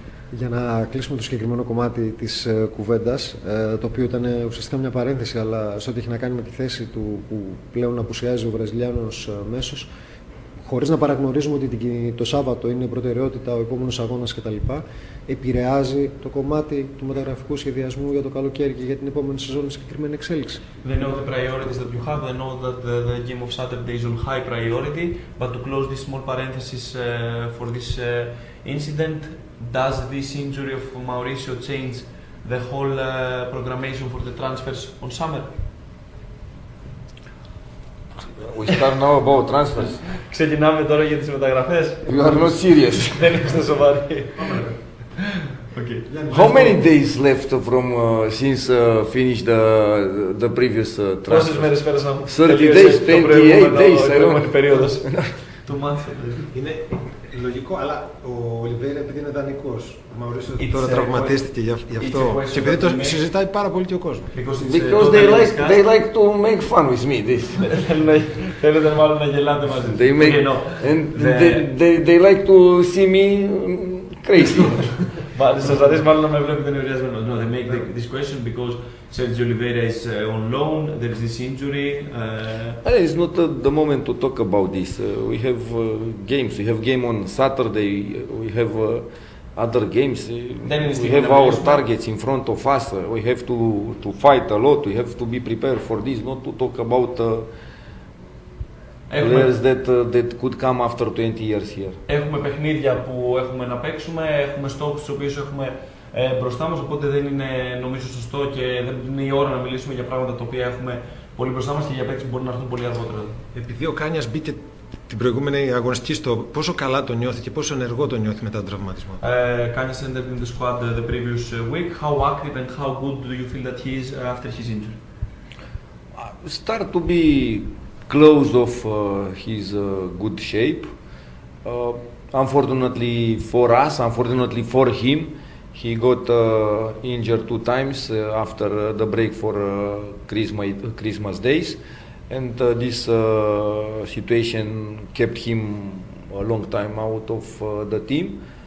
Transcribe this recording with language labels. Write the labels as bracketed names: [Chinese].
[Greek] Για να κλείσουμε το συγκεκριμένο κομμάτι της κουβέντας, το οποίο ήταν ουσιαστικά μια παρένθεση, αλλά σε ό,τι έχει να κάνει με τη θέση του που πλέον απουσιάζει ο Βραζιλιάνος μέσος, χωρίς να παραγνωρίζουμε ότι το Σάββατο είναι προτεραιότητα ο επόμενος αγώνας κτλ., επηρεάζει το κομμάτι του μεταγραφικού σχεδιασμού για το καλοκαίρι και για την επόμενη σεζόν σε συγκεκριμένη εξέλιξη? [English] They know the priorities that you have. They know that the game of Saturday is on high priority. But to close this small parenthesis for this incident, does this injury of Mauricio change the whole programmation for the transfers on summer? We start now about transfers. [Greek] Ξεκινάμε τώρα για τις μεταγραφές. [English] You are not serious. [Greek] Δεν είστε σοβαροί. [English] Okay. How many days left from since finished the previous transfer? [Greek] Πόσες μέρες πέρασαν από [English] 30 days, 28 days, [Greek] η προηγούμενη περίοδος. Το μάθαμε. Είναι λογικό, αλλά ο Ολιβέιρα, επειδή είναι δανεικός, τώρα τραυματίστηκε γι' αυτό. Και επειδή το συζητάει πάρα πολύ και ο κόσμος. [English] Because they like to make fun with me. [Greek] Θέλετε μάλλον να γελάτε μαζί. [English] They make, and they like to see me crazy. [Greek] Σας αρέσει μάλλον να με βλέπετε νευριασμένο. [English] No, they make this question because Sergio Oliveira is on loan, there is this injury. It's not the moment to talk about this. We have games. We have game on Saturday. We have other games. We have our targets in front of us. We have to fight a lot. We have to be prepared for this, not to talk about players that could come after 20 years here. [Greek] Έχουμε παιχνίδια που έχουμε να παίξουμε, έχουμε στόχους τους οποίους έχουμε μπροστά μας, οπότε δεν είναι νομίζω σωστό και δεν είναι η ώρα να μιλήσουμε για πράγματα τα οποία έχουμε πολύ μπροστά μας και για παίκτες που μπορεί να έρθουν πολύ αργότερα. Επειδή ο Κάνιας μπήκε την προηγούμενη αγωνιστική, στο πόσο καλά τον νιώθει και πόσο ενεργό τον νιώθει μετά τον τραυματισμό. [English] Κάνιας entered in the squad the previous week. How active and how good do you feel that he is after his injury? Start to be close of his good shape. Unfortunately for us, unfortunately for him, he got injured two times after the break for Christmas days, and this situation kept him a long time out of the team.